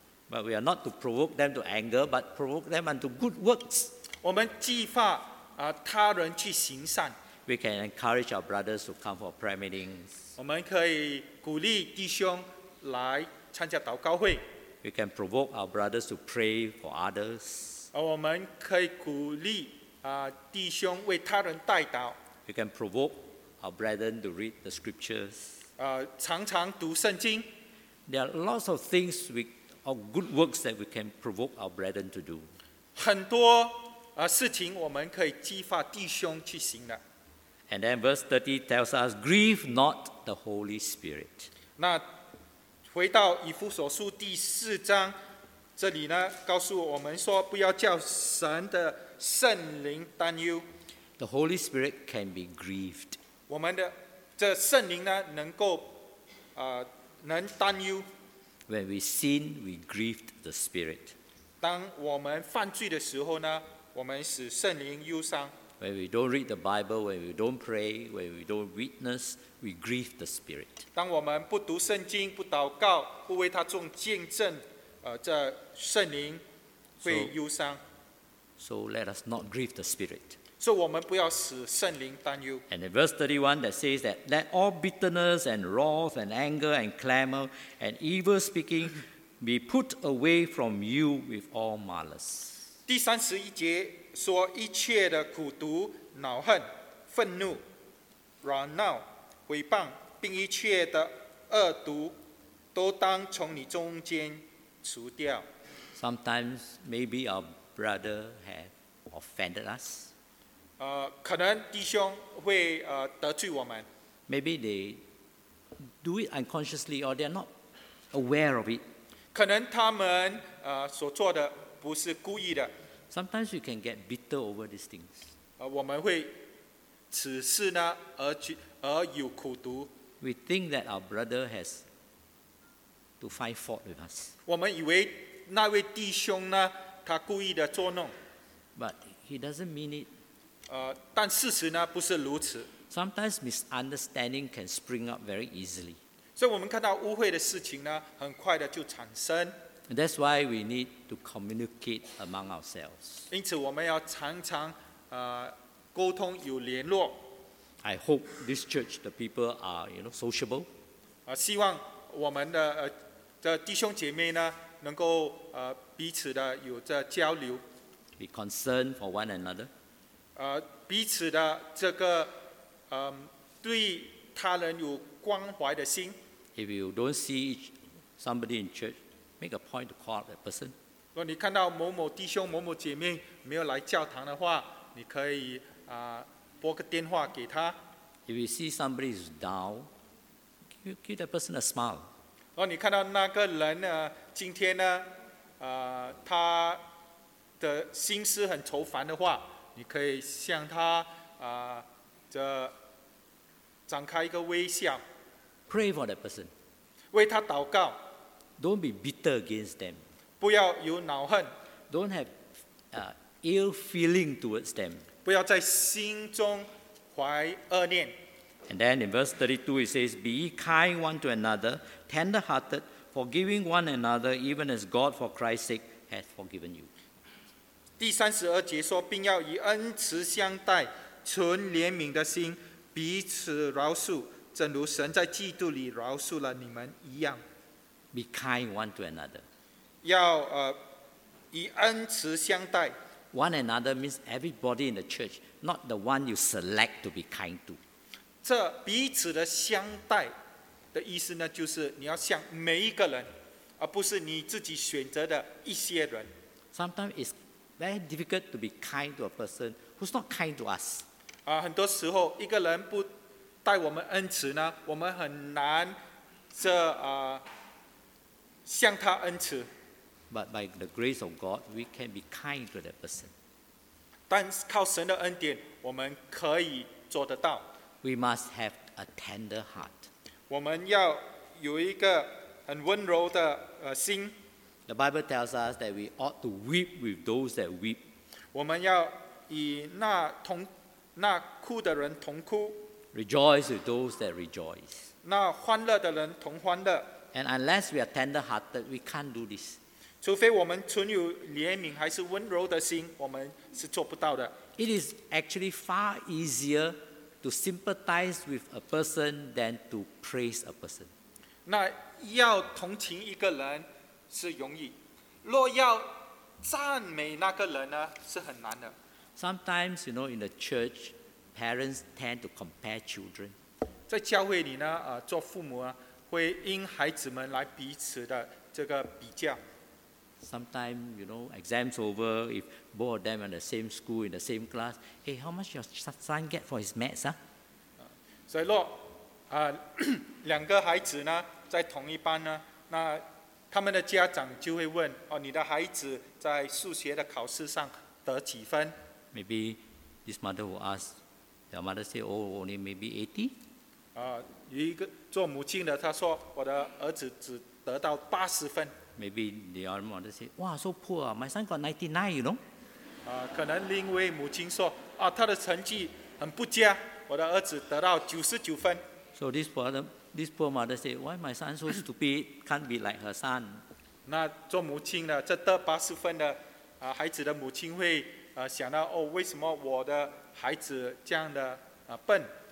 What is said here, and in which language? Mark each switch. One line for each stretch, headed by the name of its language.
English: But we are not to provoke them to anger, but provoke them unto good works.
Chinese: 我们激发他人去行善。
English: We can encourage our brothers to come for prayer meetings.
Chinese: 我们可以鼓励弟兄来参加祷告会。
English: We can provoke our brothers to pray for others.
Chinese: 我们可以鼓励弟兄为他人代祷。
English: We can provoke our brethren to read the scriptures.
Chinese: 常常读圣经。
English: There are lots of things we, or good works that we can provoke our brethren to do.
Chinese: 很多事情我们可以激发弟兄去行的。
English: And then verse 30 tells us, grieve not the Holy Spirit.
Chinese: 那回到以弗所书第四章，这里呢告诉我们说，不要叫神的圣灵担忧。
English: The Holy Spirit can be grieved.
Chinese: 我们的这圣灵呢，能够能担忧。
English: When we sin, we grieve the Spirit.
Chinese: 当我们犯罪的时候呢，我们使圣灵忧伤。
English: When we don't read the Bible, when we don't pray, when we don't witness, we grieve the Spirit.
Chinese: 当我们不读圣经、不祷告、不为他做见证，这圣灵会忧伤。
English: So let us not grieve the Spirit.
Chinese: 所以我们不要使圣灵担忧。
English: And in verse 31 that says that let all bitterness and wrath and anger and clamor and evil speaking be put away from you with all malice.
Chinese: 第三十一节说一切的苦毒、恼恨、愤怒、嚷闹、毁谤，并一切的恶毒，都当从你中间除掉。
English: Sometimes maybe our brother has offended us.
Chinese: 可能弟兄会得罪我们。
English: Maybe they do it unconsciously or they are not aware of it.
Chinese: 可能他们所做的不是故意的。
English: Sometimes we can get bitter over these things.
Chinese: 我们会此事呢而有苦毒。
English: We think that our brother has to find fault with us.
Chinese: 我们以为那位弟兄呢他故意的作弄。
English: But he doesn't mean it.
Chinese: 但事实呢不是如此。
English: Sometimes misunderstanding can spring up very easily.
Chinese: 所以我们看到误会的事情呢，很快的就产生。
English: And that's why we need to communicate among ourselves.
Chinese: 因此我们要常常沟通有联络。
English: I hope this church the people are sociable.
Chinese: 希望我们的的弟兄姐妹呢，能够彼此的有着交流。
English: Be concerned for one another.
Chinese: 彼此的这个对他人有关怀的心。
English: If you don't see somebody in church, make a point to call that person.
Chinese: 如果你看到某某弟兄、某某姐妹没有来教堂的话，你可以拨个电话给他。
English: If you see somebody is down, give that person a smile.
Chinese: 如果你看到那个人今天呢，他的心思很愁烦的话。你可以向他这展开一个微笑。
English: Pray for that person.
Chinese: 为他祷告。
English: Don't be bitter against them.
Chinese: 不要有恼恨。
English: Don't have ill feeling towards them.
Chinese: 不要在心中怀恶念。
English: And then in verse 32 it says, Be ye kind one to another, tender-hearted, forgiving one another, even as God for Christ's sake hath forgiven you.
Chinese: 第三十二节说，并要以恩慈相待，存怜悯的心，彼此饶恕，正如神在基督里饶恕了你们一样。
English: Be kind one to another.
Chinese: 要以恩慈相待。
English: One another means everybody in the church, not the one you select to be kind to.
Chinese: 这彼此的相待的意思呢，就是你要向每一个人，而不是你自己选择的一些人。
English: Sometimes it's very difficult to be kind to a person who's not kind to us.
Chinese: 很多时候一个人不待我们恩慈呢，我们很难这向他恩慈。
English: But by the grace of God, we can be kind to that person.
Chinese: 但靠神的恩典，我们可以做得到。
English: We must have a tender heart.
Chinese: 我们要有一个很温柔的心。
English: The Bible tells us that we ought to weep with those that weep.
Chinese: 我们要与那哭的人同哭。
English: Rejoice with those that rejoice.
Chinese: 那欢乐的人同欢乐。
English: And unless we are tender-hearted, we can't do this.
Chinese: 除非我们存有怜悯还是温柔的心，我们是做不到的。
English: It is actually far easier to sympathize with a person than to praise a person.
Chinese: 那要同情一个人是容易，若要赞美那个人呢，是很难的。
English: Sometimes, you know, in the church, parents tend to compare children.
Chinese: 在教会里呢，做父母啊，会因孩子们来彼此的这个比较。
English: Sometimes, you know, exams over, if both of them are in the same school, in the same class, hey, how much your son get for his maths, huh?
Chinese: 所以若两个孩子呢，在同一班呢，那他们的家长就会问，哦，你的孩子在数学的考试上得几分？
English: Maybe this mother will ask, their mother say, oh, only maybe 80?
Chinese: 有一个做母亲的，他说我的儿子只得到80分。
English: Maybe the other mother say, wow, so poor, my son got 99, you know?
Chinese: 可能另一位母亲说，啊，他的成绩很不佳，我的儿子得到99分。
English: So this poor mother say, why my son so stupid, can't be like her son?
Chinese: 那做母亲的，这得八十分的孩子的母亲会想到，哦，为什么我的孩子这样的笨？